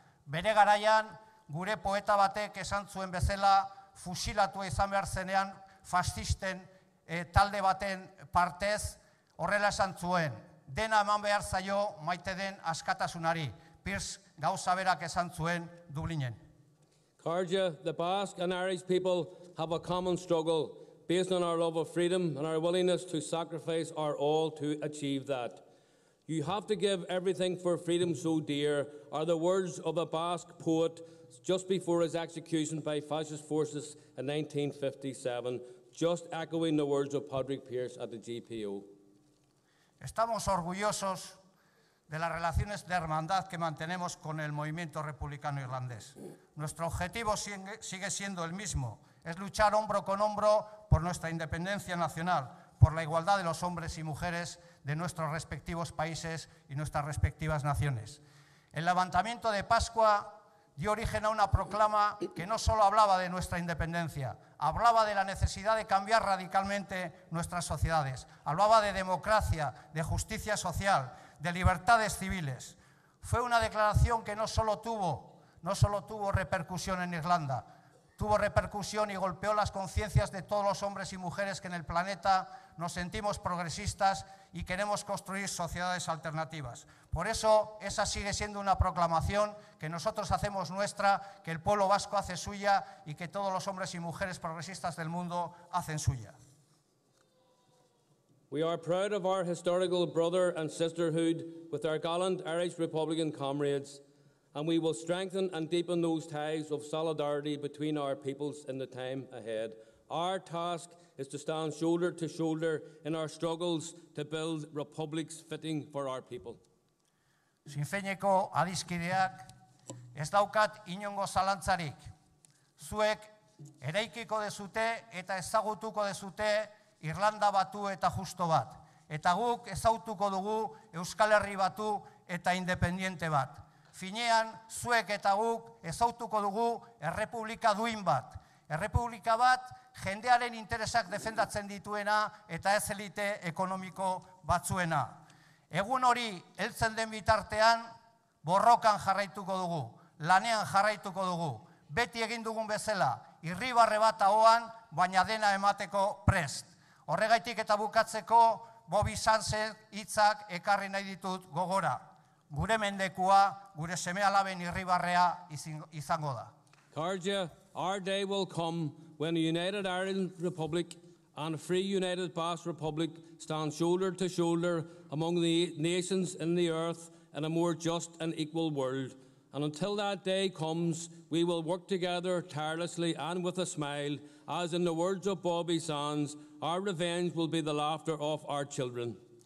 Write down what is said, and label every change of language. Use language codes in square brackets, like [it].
[eu] Bere garaian gure poeta batek esan zuen bezala fusilatua izan behar zenean fascisten talde baten partez horrela esan zuen. Dena eman behar zaio maite den askatasunari. Pierce gauza berak esan zuen Dublinen. [en] Carja, the Basque and Irish people have a common struggle based on our love of freedom and our willingness to sacrifice our all to achieve that. You have to give everything for freedom so dear are the words of a Basque poet just before his execution by fascist forces in 1957, just echoing the words of Padraig Pearse at the GPO. [es] Estamos orgullosos de las relaciones de hermandad que mantenemos con el movimiento republicano irlandés. Nuestro objetivo sigue siendo el mismo, es luchar hombro con hombro por nuestra independencia nacional, por la igualdad de los hombres y mujeres de nuestros respectivos países y nuestras respectivas naciones. El levantamiento de Pascua dio origen a una proclama que no solo hablaba de nuestra independencia, hablaba de la necesidad de cambiar radicalmente nuestras sociedades, hablaba de democracia, de justicia social, de libertades civiles. Fue una declaración que no solo tuvo repercusión en Irlanda, tuvo repercusión y golpeó las conciencias de todos los hombres y mujeres que en el planeta nos sentimos progresistas y queremos construir sociedades alternativas. Por eso, esa sigue siendo una proclamación que nosotros hacemos nuestra, que el pueblo vasco hace suya y que todos los hombres y mujeres progresistas del mundo hacen suya. [en] We are proud of our historical brother and sisterhood with our gallant Irish Republican comrades, and we will strengthen and deepen those ties of solidarity between our peoples in the time ahead. Our task is to stand shoulder to shoulder in our struggles to build republics fitting for our people. [eu] Sin feineko adiskideak ez daukat inongo zalantzarik. Zuek eraikiko dezute eta ezagutuko dezute Irlanda batu eta justo bat. Eta guk ezautuko dugu Euskal Herri batu eta independiente bat. Finean, zuek eta guk ezautuko dugu errepublika duin bat. Errepublika bat jendearen interesak defendatzen dituena eta ez elite ekonomiko batzuena. Egun hori heltzen den bitartean, borrokan jarraituko dugu, lanean jarraituko dugu. Beti egin dugun bezala, irribarre bat ahoan, baina dena emateko prest. Horregaitik eta bukatzeko, Bobby Sandsek hitzak ekarri nahi ditut gogora. Gure mendekua, gure seme alaben irribarrea izango da. [en] Carja, our day will come when a united Ireland Republic and a free United Basque Republic stand shoulder to shoulder among the nations in the earth in a more just and equal world. And until that day comes, we will work together tirelessly and with a smile, as in the words of Bobby Sands, our revenge will be the laughter of our children.